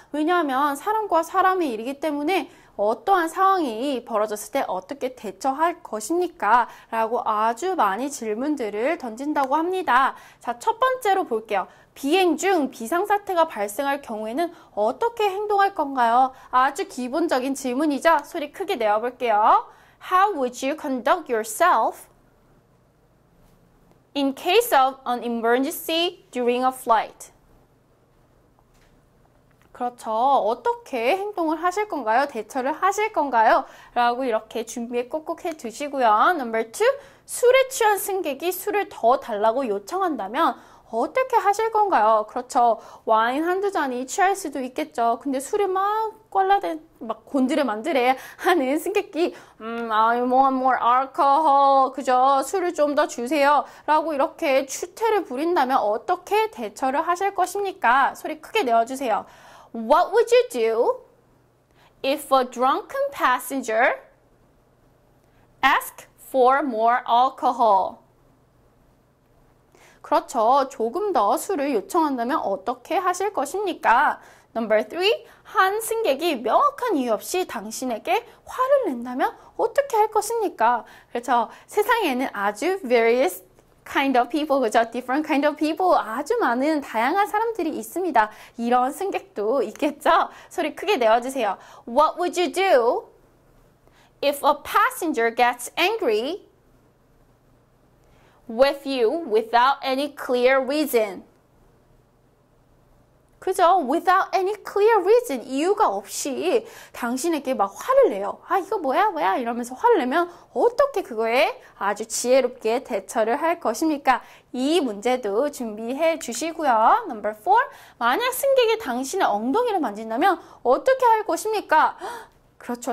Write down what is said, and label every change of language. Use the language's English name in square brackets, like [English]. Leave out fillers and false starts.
[Korean] 왜냐하면 사람과 사람의 일이기 때문에 어떠한 상황이 벌어졌을 때 어떻게 대처할 것입니까? 라고 아주 많이 질문들을 던진다고 합니다. 자, 첫 번째로 볼게요. 비행 중 비상사태가 발생할 경우에는 어떻게 행동할 건가요? 아주 기본적인 질문이죠? 소리 크게 내어볼게요. [English] How would you conduct yourself in case of an emergency during a flight? [Korean] 그렇죠. 어떻게 행동을 하실 건가요? 대처를 하실 건가요? 라고 이렇게 준비해 꼭꼭 해 두시고요. Number 2, 술에 취한 승객이 술을 더 달라고 요청한다면 어떻게 하실 건가요? 그렇죠. 와인 한두 잔이 취할 수도 있겠죠. 근데 술이 막 곤드레 만드레 하는 승객기, [English] I want more alcohol. [Korean] 그죠? 술을 좀더 주세요. 라고 이렇게 추태를 부린다면 어떻게 대처를 하실 것입니까? 소리 크게 내어주세요. [English] What would you do if a drunken passenger asked for more alcohol? [Korean] 그렇죠. 조금 더 술을 요청한다면 어떻게 하실 것입니까? [English] Number 3. [Korean] 한 승객이 명확한 이유 없이 당신에게 화를 낸다면 어떻게 할 것입니까? 그렇죠. 세상에는 아주 [English] various kind of people, [Korean] 그죠? [English] Different kind of people. [Korean] 아주 많은 다양한 사람들이 있습니다. 이런 승객도 있겠죠? 소리 크게 내어주세요. [English] What would you do if a passenger gets angry with you without any clear reason? [Korean] 그죠? [English] Without any clear reason. [Korean] 이유가 없이 당신에게 막 화를 내요. 아, 이거 뭐야? 뭐야? 이러면서 화를 내면 어떻게 그거에 아주 지혜롭게 대처를 할 것입니까? 이 문제도 준비해 주시고요. [English] Number 4. [Korean] 만약 승객이 당신의 엉덩이를 만진다면 어떻게 할 것입니까? 그렇죠.